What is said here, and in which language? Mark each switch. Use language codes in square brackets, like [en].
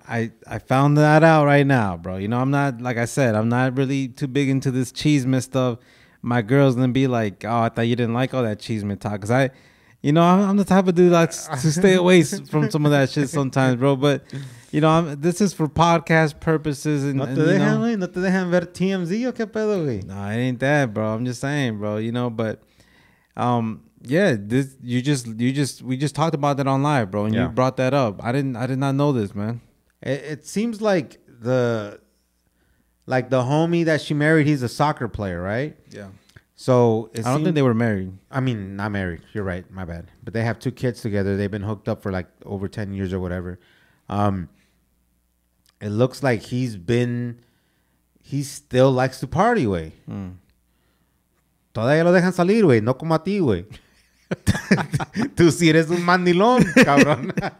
[en] I found that out right now, bro. You know, I'm not, like I said, I'm not really too big into this Chisme stuff. My girl's gonna be like, oh, I thought you didn't like all that Chisme talk. Because I'm the type of dude that's to stay away from some of that shit sometimes, bro. But, you know, this is for podcast purposes. [es] No te dejan ver TMZ o qué pedo, güey? [en] No, it ain't that, bro. I'm just saying, bro. You know, but, yeah, this we just talked about that on live, bro, and you brought that up. I did not know this, man. It seems like the homie that she married, he's a soccer player, right? Yeah. So I don't think they were married. I mean, not married. You're right. My bad. But they have two kids together. They've been hooked up for like over 10 years or whatever. It looks like he still likes to party, way. [es] Todavía lo dejan salir, güey. No como a ti, güey. Tú sí eres un mandilón, cabrón.